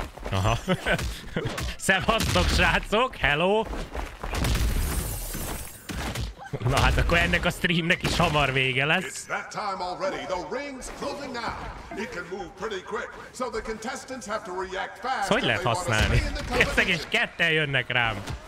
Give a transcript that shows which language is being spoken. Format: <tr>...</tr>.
<hu>Aha. Szevasztok, srácok!</hu> <en>Hello!</en> <hu>Na hát akkor ennek a streamnek is hamar vége lesz.</hu> <en>It's that time already. The ring's closing now. It can move pretty quick, so the contestants have to react fast.</en> <hu>Ezt hogy lehet használni? Értek, és ketten jönnek rám.</hu>